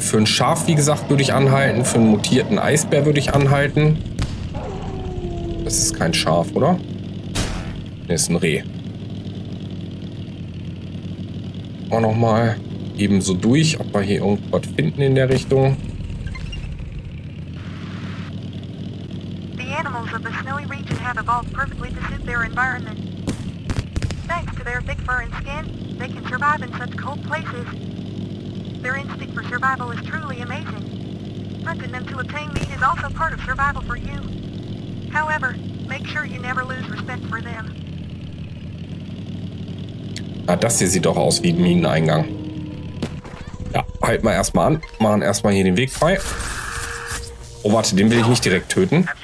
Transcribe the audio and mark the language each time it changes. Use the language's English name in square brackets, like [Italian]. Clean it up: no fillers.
[German] Für ein Schaf, wie gesagt, würde ich anhalten. Für einen mutierten Eisbär würde ich anhalten. Das ist kein Schaf, oder? Nee, ist ein Reh. Auch nochmal ebenso durch, ob wir hier irgendwas finden in der Richtung. [English] The animals of the snowy region have evolved perfectly to suit their environment. Thanks to their thick fur and skin, they can survive in such cold places. Their instinct for survival is truly amazing. Hunting them to obtain meat is also part of survival for you. However, make sure you never lose respect for them. [German] Ah, das hier sieht doch aus wie ein Mineneingang. Ja, halt mal erstmal an. Machen erstmal hier den Weg frei. Oh, warte, den will ich nicht direkt töten.